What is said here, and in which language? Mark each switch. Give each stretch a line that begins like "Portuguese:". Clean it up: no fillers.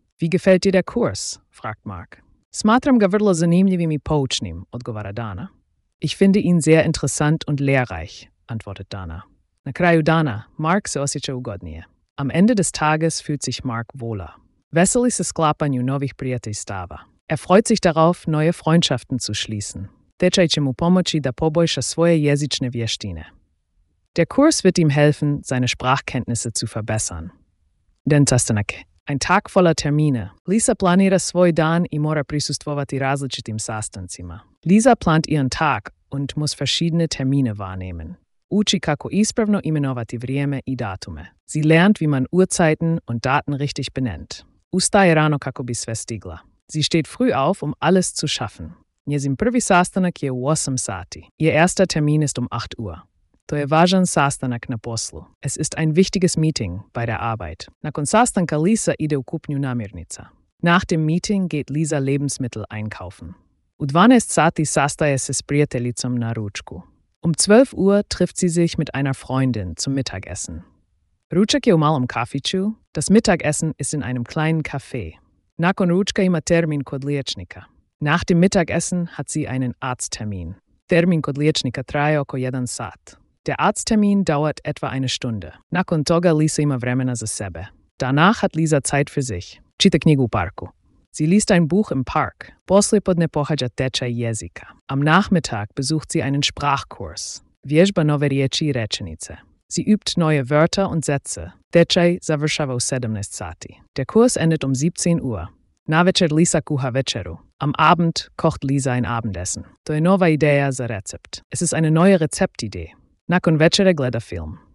German: Wie gefällt dir der Kurs? Fragt Mark.
Croatian: Smatram ga vrlo zanimljivim i poučnim, odgovara Dana.
German: Ich finde ihn sehr interessant und lehrreich, antwortet Dana.
Croatian: Na kraju Dana, Mark se osjeća ugodnije.
German: Am Ende des Tages fühlt sich Mark wohler.
Croatian: Veseli se sklapanju novih prijateljstava.
German: Freut sich darauf, neue Freundschaften zu schließen.
Croatian: Tečaj će mu pomoći da poboljša svoje jezične vještine.
German: Der Kurs wird ihm helfen, seine Sprachkenntnisse zu verbessern.
Croatian: Den sastanak.
German: Ein Tag voller Termine.
Croatian: Lisa planira svoj dan i mora prisustvovati različitim sastancima.
German: Lisa plant ihren Tag und muss verschiedene Termine wahrnehmen.
Croatian: Uči kako ispravno imenovati vrijeme i datume.
German: Sie lernt, wie man Uhrzeiten und Daten richtig benennt.
Croatian: Ustaje rano kako bi sve stigla.
German: Sie steht früh auf, um alles zu schaffen.
Croatian: Njezin prvi sastanak je u 8 sati.
German: Ihr erster Termin ist 8 Uhr.
Croatian: To je važan sastanak na poslu.
German: Es ist ein wichtiges Meeting bei der Arbeit.
Croatian: Nakon sastanka Lisa ide u kupnju namirnica.
German: Nach dem Meeting geht Lisa Lebensmittel einkaufen.
Croatian: U 12 sati sastaje se s prijateljicom na ručku.
German: Um 12 Uhr trifft sie sich mit einer Freundin zum Mittagessen.
Croatian: Ručak je u malom kafiću.
German: Das Mittagessen ist in einem kleinen Café.
Croatian: Nakon ručka ima termin kod liječnika.
German: Nach dem Mittagessen hat sie einen Arzttermin.
Croatian: Termin kod liječnika traje oko 1 sat.
German: Der Arzttermin dauert etwa eine Stunde.
Croatian: Nakon toga Lisa ima vremena za sebe.
German: Danach hat Lisa Zeit für sich.
Croatian: Čita knjigu u parku.
German: Sie liest ein Buch im Park.
Croatian: Posle podne pohađa tečaj jezika.
German: Am Nachmittag besucht sie einen Sprachkurs.
Croatian: Vježba nove riječi i rečenice.
German: Sie übt neue Wörter und Sätze.
Croatian: Tečaj završava u 17 sati.
German: Der Kurs endet um 17 Uhr.
Croatian: Navečer Lisa kuha večeru.
German: Am Abend kocht Lisa ein Abendessen.
Croatian: To je nova ideja za recept.
German: Es ist eine neue Rezeptidee.
Croatian: Nakon večere gleda film.